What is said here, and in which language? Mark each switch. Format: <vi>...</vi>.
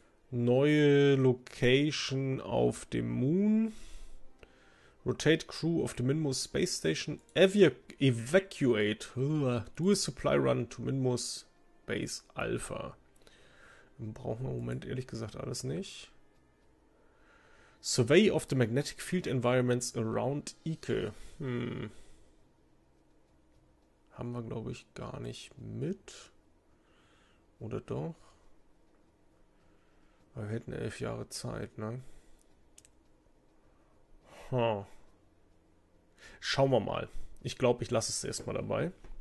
<de>Neue Location auf dem Moon.</de> <en>Rotate Crew</en> <de>auf der</de> <en>Minmus Space Station. Evacuate. Dual Supply Run to Minmus Base Alpha.</en> <de>Brauchen wir im Moment ehrlich gesagt alles nicht.</de> <en>Survey of the Magnetic Field Environments around Eke.</en> <de>Haben wir, glaube ich, gar nicht mit. Oder doch? Wir hätten 11 Jahre Zeit, ne? Huh. Schauen wir mal. Ich glaube, ich lasse es erstmal dabei.</de>